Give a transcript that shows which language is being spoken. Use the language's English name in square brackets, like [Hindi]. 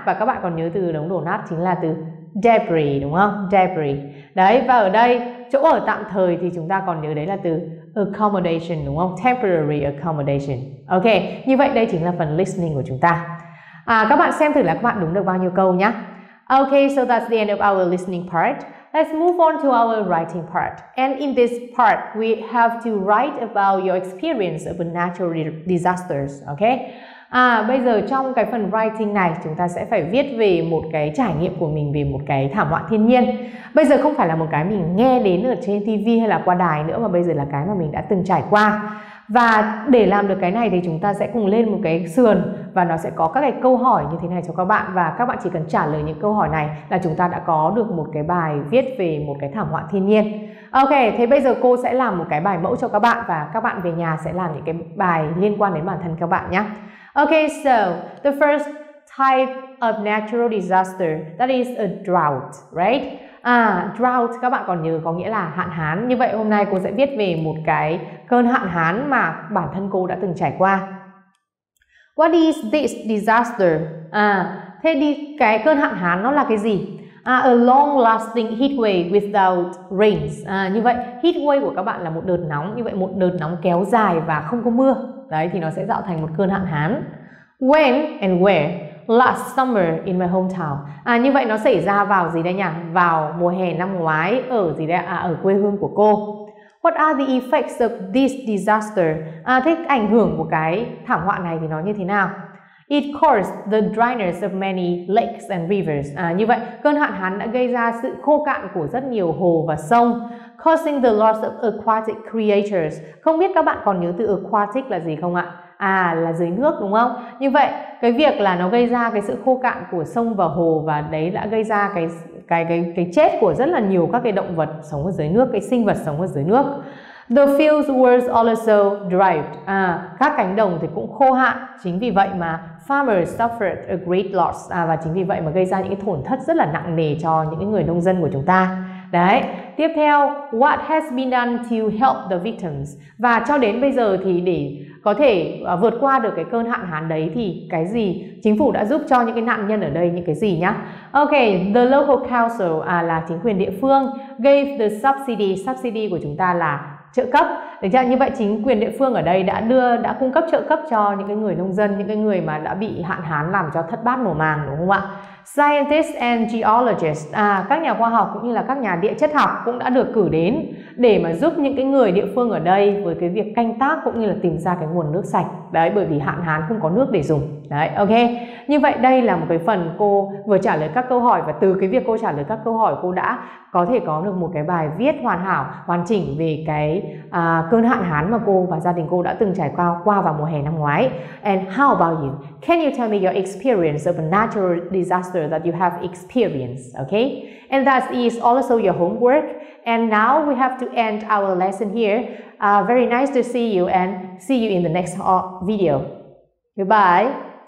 [Vietnamese] Và các bạn còn nhớ từ đống đổ nát chính là từ debris đúng không? Debris. Đấy, và ở đây chỗ ở tạm thời thì chúng ta còn nhớ đấy là từ accommodation đúng không? Temporary accommodation. Ok, như vậy đây chính là phần listening của chúng ta. Các bạn xem thử là các bạn đúng được bao nhiêu câu nhé. [English] Ok, so that's the end of our listening part. Let's move on to our writing part. And in this part, we have to write about your experience of natural disasters. [Vietnamese] Ok, bây giờ trong cái phần writing này chúng ta sẽ phải viết về một cái trải nghiệm của mình về một cái thảm họa thiên nhiên. Bây giờ không phải là một cái mình nghe đến ở trên TV hay là qua đài nữa mà bây giờ là cái mà mình đã từng trải qua. Và để làm được cái này thì chúng ta sẽ cùng lên một cái sườn và nó sẽ có các cái câu hỏi như thế này cho các bạn. Và các bạn chỉ cần trả lời những câu hỏi này là chúng ta đã có được một cái bài viết về một cái thảm họa thiên nhiên. Ok, thế bây giờ cô sẽ làm một cái bài mẫu cho các bạn và các bạn về nhà sẽ làm những cái bài liên quan đến bản thân các bạn nhé. [English] Okay, so the first type of natural disaster, that is a drought, right? [Vietnamese] Drought, các bạn còn nhớ có nghĩa là hạn hán. Như vậy hôm nay cô sẽ viết về một cái cơn hạn hán mà bản thân cô đã từng trải qua. [English] What is this disaster? [Vietnamese] Thế đi cái cơn hạn hán nó là cái gì? [English] A long-lasting heat wave without rains. [Vietnamese] Như vậy, heat wave của các bạn là một đợt nóng. Như vậy, một đợt nóng kéo dài và không có mưa. Đấy, thì nó sẽ tạo thành một cơn hạn hán. [English] When and where? Last summer in my hometown. [Vietnamese] Như vậy, nó xảy ra vào gì đây nhỉ? Vào mùa hè năm ngoái ở gì đây? Ở quê hương của cô. [English] What are the effects of this disaster? [Vietnamese] Thế ảnh hưởng của cái thảm họa này thì nó như thế nào? [English] It caused the dryness of many lakes and rivers. [Vietnamese] Như vậy, cơn hạn hán đã gây ra sự khô cạn của rất nhiều hồ và sông. [English] Causing the loss of aquatic creatures. [Vietnamese] Không biết các bạn còn nhớ từ aquatic là gì không ạ? Là dưới nước đúng không? Như vậy, cái việc là nó gây ra cái sự khô cạn của sông và hồ và đấy đã gây ra cái chết của rất là nhiều các cái động vật sống ở dưới nước, cái sinh vật sống ở dưới nước. [English] The fields were also dried. [Vietnamese] Các cánh đồng thì cũng khô hạn. Chính vì vậy mà [English] farmers suffered a great loss. [Vietnamese] Và chính vì vậy mà gây ra những cái tổn thất rất là nặng nề cho những người nông dân của chúng ta. Đấy. Tiếp theo, [English] what has been done to help the victims? [Vietnamese] Và cho đến bây giờ thì để có thể vượt qua được cái cơn hạn hán đấy thì cái gì chính phủ đã giúp cho những cái nạn nhân ở đây những cái gì nhá? [English] Ok, the local council [Vietnamese] là chính quyền địa phương [English] gave the subsidy. [Vietnamese] Subsidy của chúng ta là trợ cấp. Đấy chứ, như vậy chính quyền địa phương ở đây đã cung cấp trợ cấp cho những cái người nông dân, những cái người mà đã bị hạn hán làm cho thất bát mùa màng đúng không ạ? [English] Scientists and geologists, [Vietnamese] các nhà khoa học cũng như là các nhà địa chất học cũng đã được cử đến để mà giúp những cái người địa phương ở đây với cái việc canh tác cũng như là tìm ra cái nguồn nước sạch. Đấy, bởi vì hạn hán không có nước để dùng. Đấy, ok. Như vậy đây là một cái phần cô vừa trả lời các câu hỏi và từ cái việc cô trả lời các câu hỏi cô đã có thể có được một cái bài viết hoàn hảo, hoàn chỉnh về cái cơn hạn hán mà cô và gia đình cô đã từng trải qua vào mùa hè năm ngoái. [English] And how about you? Can you tell me your experience of a natural disaster answer that you have experienced, okay? And that is also your homework. And now we have to end our lesson here. Very nice to see you and see you in the next video. Goodbye.